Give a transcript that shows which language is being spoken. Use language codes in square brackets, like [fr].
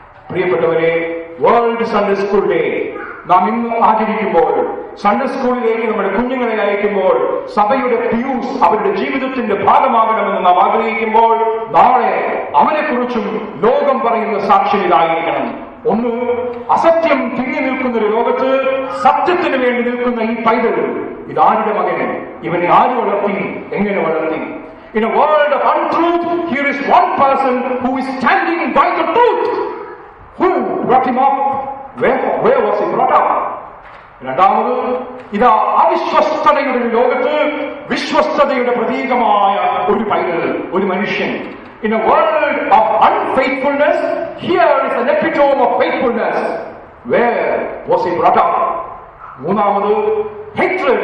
[ml] പ്രിയപ്പെട്ടവരെ, world Sunday school day നാം ഇന്ന് ആചരിക്കുമ്പോൾ, സൺഡേ സ്കൂളിലേക്ക് നമ്മുടെ കുഞ്ഞുങ്ങളെ അയക്കുമ്പോൾ, സഭയുടെ പ്യൂസ് അവരുടെ ജീവിതത്തിന്റെ ഭാഗമാകണമെന്ന് നാം ആഗ്രഹിക്കുമ്പോൾ, നാളെ അവനെക്കുറിച്ചും ലോകം പറയുന്ന സാക്ഷ്യം ഇതായിരിക്കണം. ഒന്ന്, അസത്യം തിങ്ങി നിൽക്കുന്ന ഒരു ലോകത്ത് സത്യത്തിന് വേണ്ടി നിൽക്കുന്ന ഈ പൈതൃകം, ഇതാരുടെ മകനെ, ഇവനെ ആര് വളർത്തി, എങ്ങനെ വളർത്തി? [en] In a world of untruth, here is one person who is standing by the truth. Who brought him up? Where was he brought up? [ml] രണ്ടാമത്, ഇതാ അവിശ്വസ്തതയുടെ ഒരു ലോകത്ത് വിശ്വസ്തതയുടെ പ്രതീകമായ ഒരു പൈതൃകം, ഒരു മനുഷ്യൻ. [en] In a world of unfaithfulness, here is an epitome of faithfulness. Where was he brought up? [ml] മൂന്നാമത്, [en] hatred.